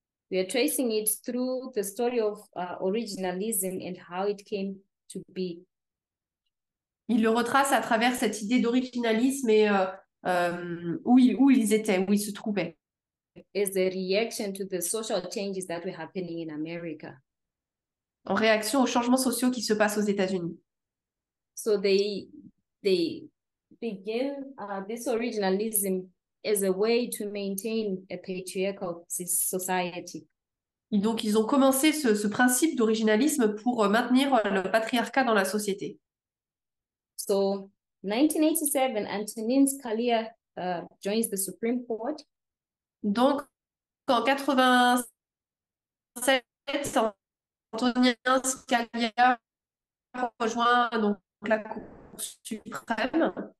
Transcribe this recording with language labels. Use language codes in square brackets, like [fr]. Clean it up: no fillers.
[en] We are tracing it through the story of originalism and how it came to be. [fr] Il le retrace à travers cette idée d'originalisme et où ils étaient, où ils se trouvaient. [en] Is the reaction to the social changes that were happening in America. [fr] En réaction aux changements sociaux qui se passent aux États-Unis. [en] So they begin this originalism as a way to maintain a patriarchal society. [fr] Et donc, ils ont commencé ce principe d'originalisme pour maintenir le patriarcat dans la société. [en] So 1987, Antonin Scalia joins the Supreme Court. [fr] Donc, en 87, Antonin Scalia rejoint donc la Cour suprême.